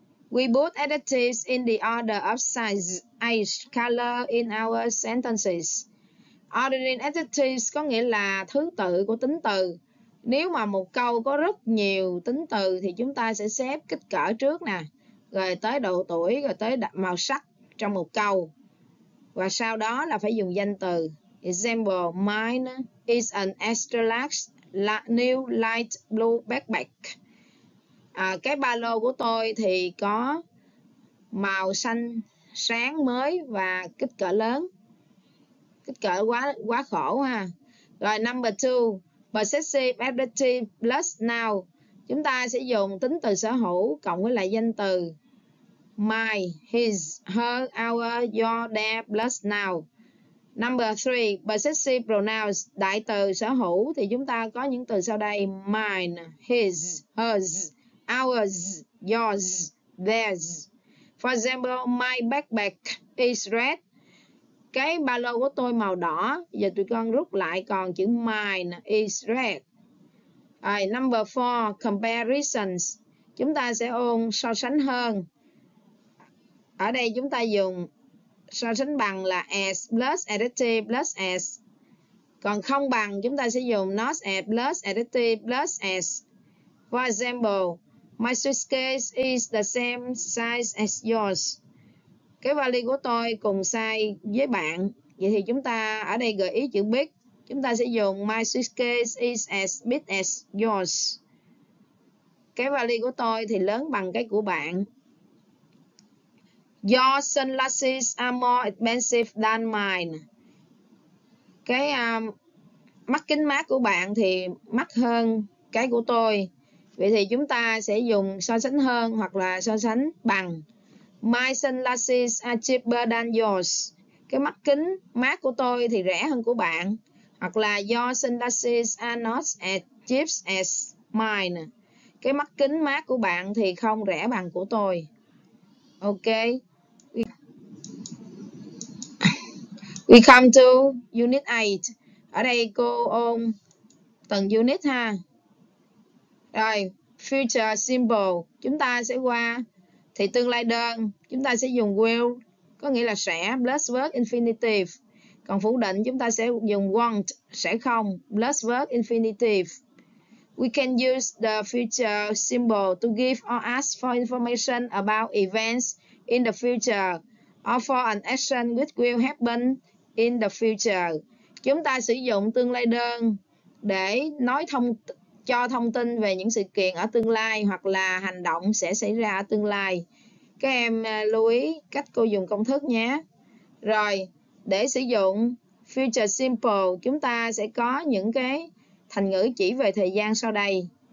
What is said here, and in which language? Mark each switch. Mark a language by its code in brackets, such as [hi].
[en] We put additives in the order of size, age, color in our sentences. [vi] Ordering additives có nghĩa là thứ tự của tính từ. Nếu mà một câu có rất nhiều tính từ thì chúng ta sẽ xếp kích cỡ trước nè, rồi tới độ tuổi, rồi tới màu sắc trong một câu. Và sau đó là phải dùng danh từ. [en] Example, mine is an extra large, new light blue backpack. [vi] À, cái ba lô của tôi thì có màu xanh sáng mới và kích cỡ lớn. Kích cỡ quá quá khổ ha. Rồi [en] number 2, possessive adjective plus noun. [vi] Chúng ta sẽ dùng tính từ sở hữu cộng với lại danh từ. [en] My, his, her, our, your, their plus noun. Number 3, possessive pronouns, [vi] đại từ sở hữu thì chúng ta có những từ sau đây: mine, his, hers, ours, yours, theirs. [en] For example, my backpack is red. [vi] Cái ba lô của tôi màu đỏ. Giờ tụi con rút lại còn chữ [en] mine is red. Number 4, comparisons. [vi] Chúng ta sẽ ôn so sánh hơn. Ở đây chúng ta dùng so sánh bằng là as plus additive plus as. Còn không bằng chúng ta sẽ dùng not as plus additive plus as. [en] For example, my suitcase is the same size as yours. [vi] Cái vali của tôi cùng size với bạn. Vậy thì chúng ta ở đây gợi ý chữ big. Chúng ta sẽ dùng [en] my suitcase is as big as yours. [vi] Cái vali của tôi thì lớn bằng cái của bạn. [en] Your sunglasses are more expensive than mine. [vi] Cái mắt kính mát của bạn thì mắc hơn cái của tôi. Vậy thì chúng ta sẽ dùng so sánh hơn hoặc là so sánh bằng. [en] My sunglasses are cheaper than yours. [vi] Cái mắt kính mát của tôi thì rẻ hơn của bạn. Hoặc là [en] your sunglasses are not as cheap as mine. [vi] Cái mắt kính mát của bạn thì không rẻ bằng của tôi. Ok. To unit 8. Ở đây cô ôn từng unit ha. Rồi, future simple, chúng ta sẽ qua thì tương lai đơn, chúng ta sẽ dùng will, có nghĩa là sẽ, plus verb infinitive. Còn phủ định, chúng ta sẽ dùng want, sẽ không, plus verb infinitive. [en] We can use the future simple to give or ask for information about events in the future or for an action which will happen in the future. [vi] Chúng ta sử dụng tương lai đơn để nói thông cho thông tin về những sự kiện ở tương lai hoặc là hành động sẽ xảy ra ở tương lai. Các em lưu ý cách cô dùng công thức nhé. Rồi, để sử dụng future simple, chúng ta sẽ có những cái thành ngữ chỉ về thời gian sau đây.